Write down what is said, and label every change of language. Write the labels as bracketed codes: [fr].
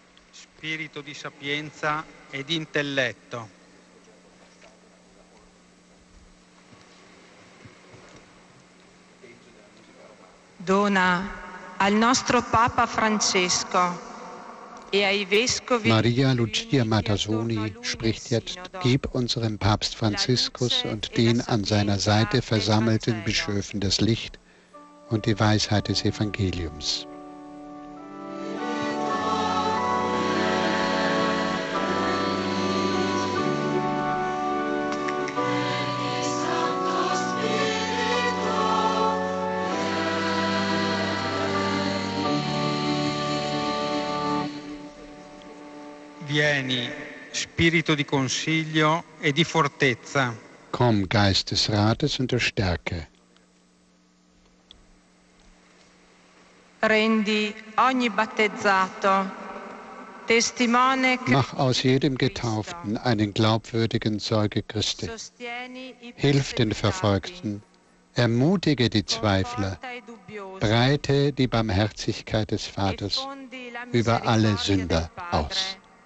[it] Spirito di sapienza e di intelletto. Dona al nostro Papa Francesco e ai vescovi. [de] Maria Lucia Matasoni spricht jetzt: Gib unserem Papst Franziskus und den an seiner Seite versammelten Bischöfen das Licht und die Weisheit des Evangeliums. [it] Vieni, spirito di consiglio e di fortezza. [de] Komm, Geist des Rates und der Stärke. [it] Rendi ogni battezzato testimone. [de] Mach aus jedem Getauften einen glaubwürdigen Zeuge Christi. Hilf den Verfolgten, ermutige die Zweifler, breite die Barmherzigkeit des Vaters über alle Sünder aus.